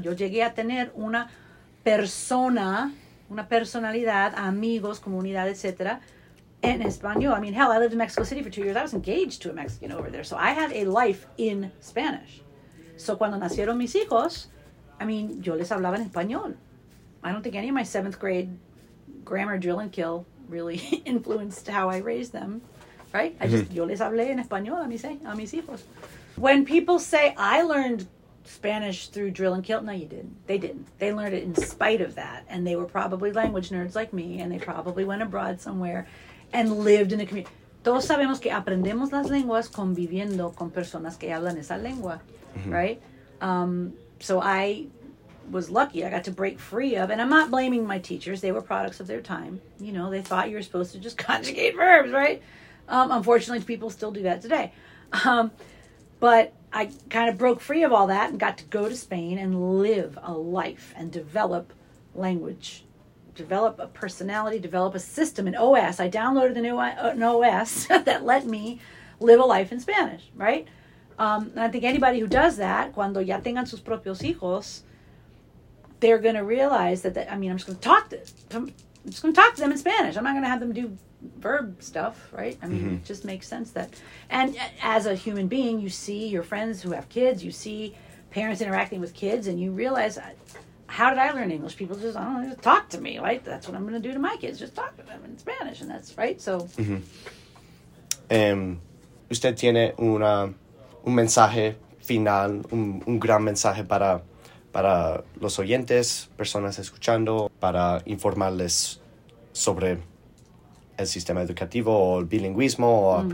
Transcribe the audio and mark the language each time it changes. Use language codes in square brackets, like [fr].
[es] Yo llegué a tener una persona, una personalidad, amigos, comunidad, etcétera, en español. [en] I mean, hell, I lived in Mexico City for 2 years. I was engaged to a Mexican over there. So I had a life in Spanish. [es] So cuando nacieron mis hijos, [en] I mean, [es] yo les hablaba en español. [en] I don't think any of my seventh grade grammar drill and kill really influenced how I raised them, right? [es] Mm-hmm. [en] I just, [es] yo les hablé en español a mis hijos. [en] When people say, I learned Spanish through drill and kill, no, you didn't. They didn't. They learned it in spite of that. And they were probably language nerds like me, and they probably went abroad somewhere and lived in a community. [es] Todos sabemos que aprendemos las lenguas conviviendo con personas que hablan esa lengua, mm-hmm. [en] right? So I was lucky. I got to break free of, and I'm not blaming my teachers. They were products of their time. You know, they thought you were supposed to just conjugate verbs, right? Unfortunately, people still do that today. But I kind of broke free of all that and got to go to Spain and live a life and develop language, develop a personality, develop a system, an OS. I downloaded the new an OS that let me live a life in Spanish, right? And I think anybody who does that, [es] cuando ya tengan sus propios hijos, [en] they're going to realize that, I'm just going to talk to them. I'm just going to talk to them in Spanish. I'm not going to have them do verb stuff, right? I mean, mm-hmm. it just makes sense that. And as a human being, you see your friends who have kids, you see parents interacting with kids, and you realize, how did I learn English? People just, I don't know, just talk to me, right? That's what I'm going to do to my kids, just talk to them in Spanish, and that's right. So. Mm-hmm. [es] Usted tiene un mensaje final, un gran mensaje para los oyentes, personas escuchando, para informarles sobre el sistema educativo o el bilingüismo o mm-hmm.